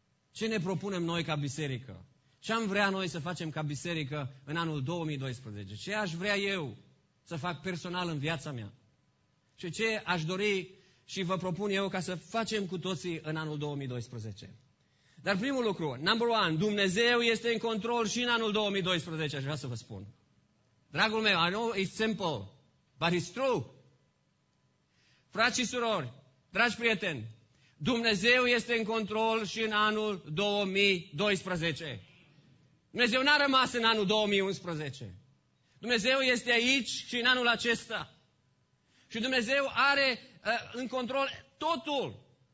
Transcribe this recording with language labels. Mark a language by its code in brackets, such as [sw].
[ro] Ce ne propunem noi ca biserică? Ce am vrea noi să facem ca biserică în anul 2012? Ce aș vrea eu să fac personal în viața mea? Și ce aș dori și vă propun eu ca să facem cu toții în anul 2012? Dar primul lucru, [en] number one, [ro] Dumnezeu este în control și în anul 2012, aș vrea să vă spun. Dragul meu, [en] I know it's simple, but it's true. [ro] Frați și surori, dragi prieteni, Dumnezeu este în control și în anul 2012. Dumnezeu n-a rămas în anul 2011. Dumnezeu este aici și în anul acesta. Și Dumnezeu are în control totul.